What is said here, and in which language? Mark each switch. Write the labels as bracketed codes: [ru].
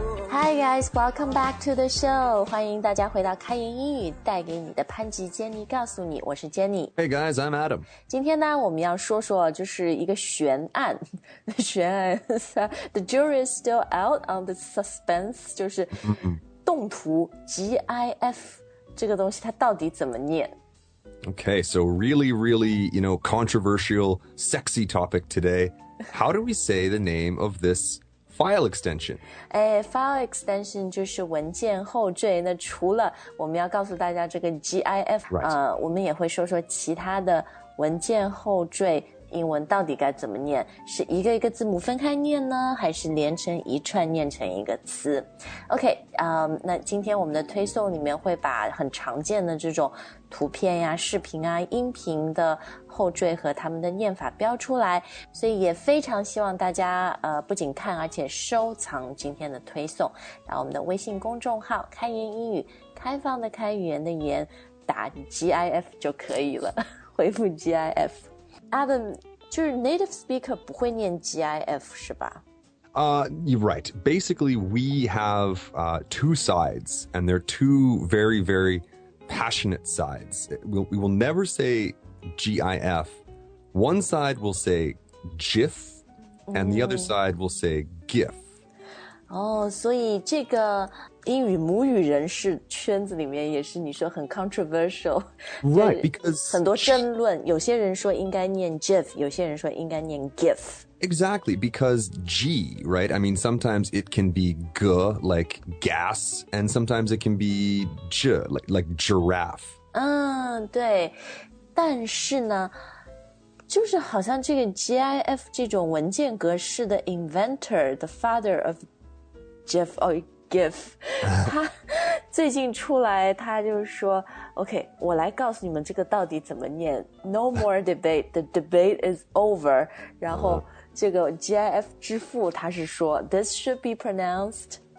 [en] Hi guys, welcome back to the show. [zh] 欢迎大家回到开言英语带给你的潘吉Jenny告诉你，我是 Jenny. [en] Hey guys, I'm Adam. [zh] 今天呢我们要说说就是一个悬案。悬案。 [en] The jury is still out on the suspense, [zh] 就是动图 GIF, 这个东西它到底怎么念。 [en] Okay, so really, really, you know, controversial, sexy topic today. How do we say the name of this? File extension. [zh] File extension 就是文件后缀。那除了我们要告诉大家这个 GIF,、 [en] right. [zh] 我们也会说说其他的文件后缀英文到底该怎么念。是一个一个字母分开念呢还是连成一串念成一个词 ?OK,、那今天我们的推送里面会把很常见的这种图片呀视频啊音频的后缀和他们的念法标出来。所以也非常希望大家、不仅看而且收藏今天的推送。然后我们的微信公众号开言英语开放的开语言的言打 GIF 就可以了。回复 GIF。 Adam, 就是 native speaker 不会念 GIF, 是吧? [en] You're right. Basically, we have two sides, and they're two very, very passionate sides. We will never say GIF. One side will say GIF, and the other side will say GIF. [zh] 哦、oh, ，所以这个英语母语人士圈子里面也是你说很 controversial， [en] right? Because [zh] 很多争论，有些人说应该念 GIF， 有些人说应该念 GIF。 [en] Exactly, because G, right? I mean, sometimes it can be G, like gas, and sometimes it can be J, like giraffe. [zh] 嗯，对，但是呢。就是好像这个 GIF 这种文件格式的 inventor, [en] the father of GIF, or GIF, [zh] 他最近出来他就说 OK, 我来告诉你们这个到底怎么念 [en] No more debate, the debate is over, [zh] 然后这个 GIF 之父他是说 [en] This should be pronounced